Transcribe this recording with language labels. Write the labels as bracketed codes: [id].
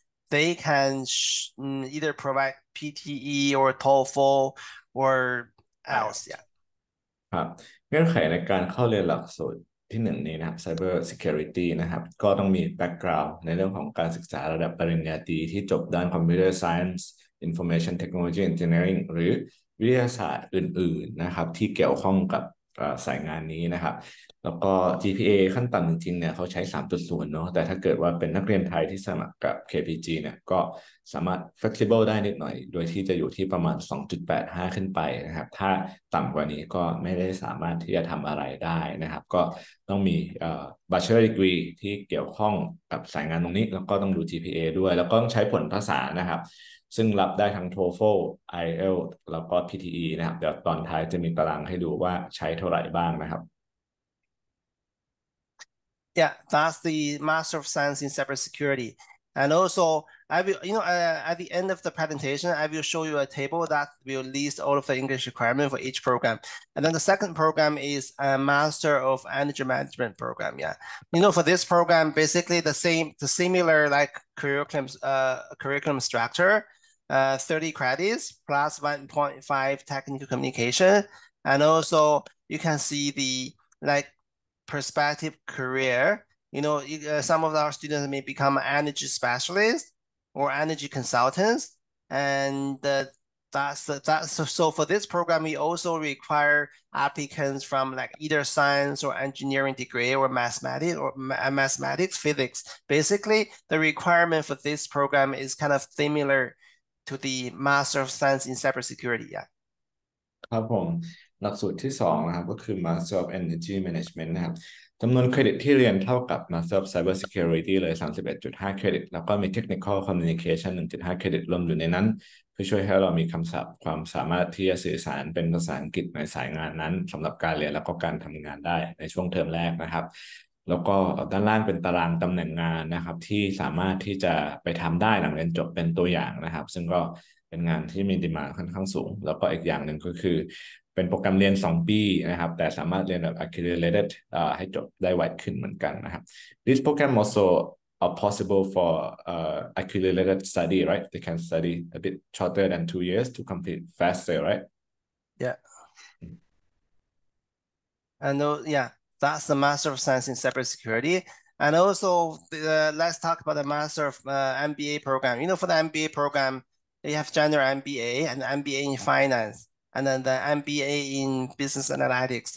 [en] They can either provide PTE or TOEFL or else. Yeah. [th] ครับเงื่อนไขในการเข้าเรียนหลักสูตรที่หนึ่งนี้นะครับ Cybersecurity นะครับก็ต้องมี background ในเรื่องของการศึกษาระดับปริญญาตรีที่จบด้าน Computer Science, Information Technology Engineering หรือวิทยาศาสตร์อื่นๆนะครับที่เกี่ยวข้องกับ สายงานนี้นะครับแล้วก็ GPA ขั้นต่ำจริงๆเนี่ยเขาใช้ 3.0 เนาะแต่ถ้าเกิดว่าเป็นนักเรียนไทยที่สมัครกับ KPG เนี่ยก็สามารถ flexible ได้นิดหน่อยโดยที่จะอยู่ที่ประมาณ 2.85 ขึ้นไปนะครับถ้าต่ำกว่านี้ก็ไม่ได้สามารถที่จะทำอะไรได้นะครับก็ต้องมี bachelor degree ที่เกี่ยวข้องกับสายงานตรงนี้แล้วก็ต้องดู GPA ด้วยแล้วก็ต้องใช้ผลภาษานะครับซึ่งรับได้ทั้ง TOEFL, IELTS แล้วก็ PTE นะครับเดี๋ยวตอนท้ายจะมีตารางให้ดูว่าใช้เท่าไหร่บ้างนะครับ [en] Yeah, that's the Master of Science in Cybersecurity. And also, I will, you know, at the end of the presentation, I will show you a table that will list all of the English requirements for each program. And then the second program is a Master of Energy Management program. Yeah, you know, for this program, basically the similar like curriculum structure, 30 credits plus 1.5 technical communication. And also you can see the like perspective career. You know, some of our students may become energy specialists or energy consultants, and that's so for this program we also require applicants from like either science or engineering degree or mathematics physics. Basically the requirement for this program is kind of similar to the Master of Science in Cybersecurity. Yeah, [th] ครับผมหลักสูตรที่2นะครับก็คือ Master of Energy Management นะครับจำนวนเครดิตที่เรียนเท่ากับ Master of Cybersecurity เลย 31.5 เครดิตแล้วก็มี Technical Communication 1.5 เครดิตรวมอยู่ในนั้นเพื่อช่วยให้เรามีคำศัพท์ความสามารถที่จะสื่อสารเป็นภาษาอังกฤษในสายงานนั้นสำหรับการเรียนแล้วก็การทำงานได้ในช่วงเทอมแรกนะครับ แล้วก็ด้านล่างเป็นตารางตำแหน่งงานนะครับที่สามารถที่จะไปทำได้หลังเรียนจบเป็นตัวอย่างนะครับซึ่งก็เป็นงานที่มีดีมานด์ค่อนข้างสูงแล้วก็อีกอย่างหนึ่งก็คือเป็นโปรแกรมเรียน2ปีนะครับแต่สามารถเรียนแบบ accelerated ให้จบได้ไวขึ้นเหมือนกันนะครับ [en] This program also a possible for accelerated study right they can study a bit shorter than 2 years to complete faster right yeah and yeah that's the Master of Science in Cybersecurity. And also let's talk about the Master of MBA program. You know, for the MBA programYou have general MBA and MBA in finance, and then the MBA in business analytics.